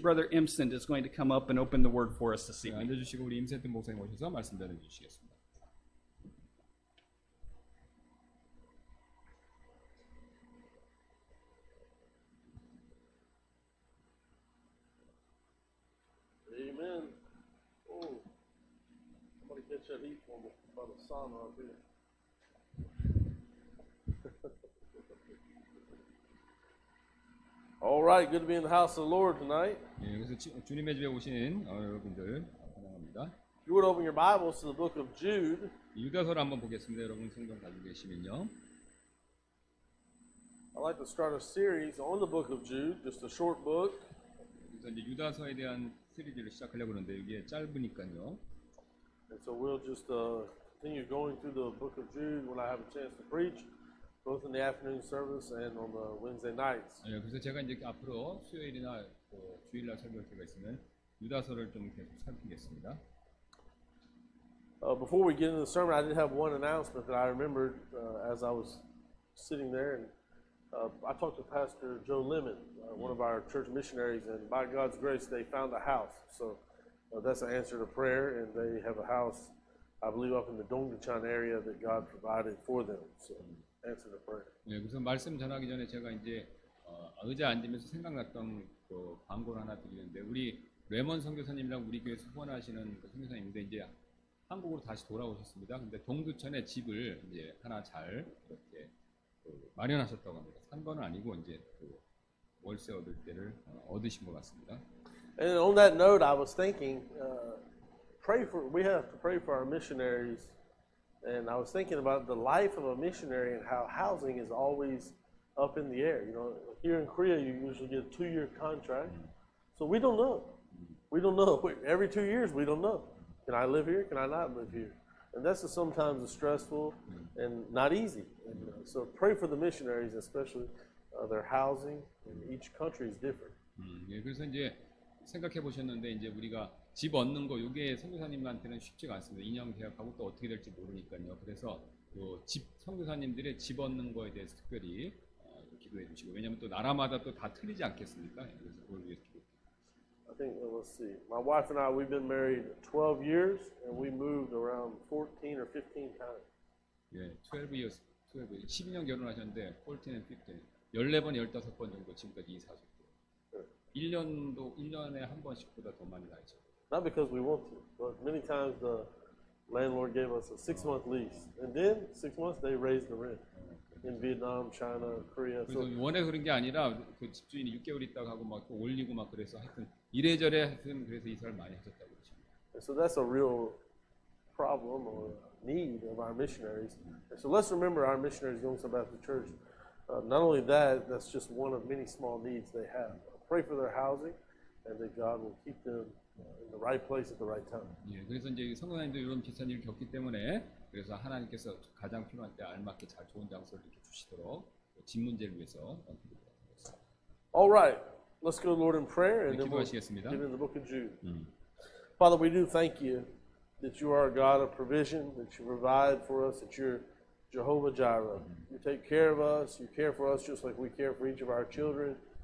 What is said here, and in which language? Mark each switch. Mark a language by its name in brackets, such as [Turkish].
[English] Brother Imsend is going to come up and open the word for us this evening. [Korean] 앉아주시고 우리 임센트 목사님 오셔서 말씀 전해주시겠습니다. [English] Amen. Oh, I'm gonna catch that heat by the sun right there. All right, good to be in the house of the Lord tonight. [Korean] 예, 그래서 주님의 집에 오신 여러분들 환영합니다. [English] You would open your Bibles to the book of Jude. [Korean] 유다서를 한번 보겠습니다. 여러분 성경 가지고 계시면요. [English] I'd like to start a series on the book of Jude, just a short book. [Korean] 그래서 이제 유다서에 대한 시리즈를 시작하려고 하는데 이게 짧으니까요. [English] And so we'll just continue going through the book of Jude when I have a chance to preach. Both in the afternoon service and on the Wednesday nights. [Korean] 예, 그래서 제가 이제 앞으로 수요일이나 또 주일날 설교할 때가 있으면 유다서를 좀 계속 살피겠습니다. [English] Before we get into the sermon, I did have one announcement that I remembered as I was sitting there, and I talked to Pastor Joe Lemon, one of our church missionaries, and by God's grace, they found a house. So that's an answer to prayer, and they have a house, I believe, up in the Dongguchan area that God provided for them. So. [Korean] 네, 그래서 말씀 전하기 전에 제가 이제 의자 앉으면서 생각났던 그 광고를 하나 드리는데 우리 레몬 선교사님이랑 우리 교회 후원하시는 그 선교사님인데 이제 한국으로 다시 돌아오셨습니다. 근데 동두천에 집을 이제 하나 잘 이렇게 그 마련하셨다고 합니다. 산 건 아니고 이제 그 월세 얻을 때를 얻으신 것 같습니다. [English] And on that note, I was thinking, pray for. We have to pray for our missionaries. And I was thinking about the life of a missionary and how housing is always up in the air. You know, here in Korea, you usually get a two-year contract. So we don't know. We don't know. Every 2 years, we don't know. Can I live here? Can I not live here? And that's sometimes stressful and not easy. And so pray for the missionaries, especially their housing. And each country is different. [Korean] 예, 그래서 이제 생각해 보셨는데 이제 우리가 집 얻는 거 이게 선교사님한테는 쉽지가 않습니다. 2년 계약하고 또 어떻게 될지 모르니까요. 그래서 그 집 선교사님들의 집 얻는 거에 대해서 특별히 기도해 주시고 왜냐하면 또 나라마다 또 다 틀리지 않겠습니까? 그래서 그걸 위해서 기도합니다. [English] I think let's see. My wife and I we've been married 12 years and we moved around 14 or 15 times. [Korean] 예, 12년 결혼하셨는데 [English] 14 and 15 [Korean] 14번 15번 정도 지금까지 이사죠. 1년도 1년에 한 번씩보다 더 많이 나죠. [English] Not because we want to, but many times the landlord gave us a six-month lease, and then 6 months they raised the rent in Vietnam, China, Korea. [Korean] So 원해 그런 게 아니라 그 집주인이 6개월 있다가 하고 막 올리고 막 그래서 하여튼 이래저래 하여튼 그래서 이사를 많이 하셨다고 그러죠. [English] So that's a real problem or need of our missionaries. And so let's remember our missionaries, Yongsan Baptist Church. Not only that, that's just one of many small needs they have. Pray for their housing, and that God will keep them. In the right place at the right time. [Korean] 예, 그래서 이제 성도님들 이런 비슷한 일을 겪기 때문에 그래서 하나님께서 가장 필요할 때 알맞게 잘 좋은 장소를 이렇게 주시도록 집 문제를 위해서. [English] All right, let's go to the Lord in prayer and then we'll get into the book of Jude. Father, we do thank you that you are a God of provision, that you provide for us, that you're Jehovah Jireh. Mm-hmm. You take care of us. You care for us just like we care for each of our children.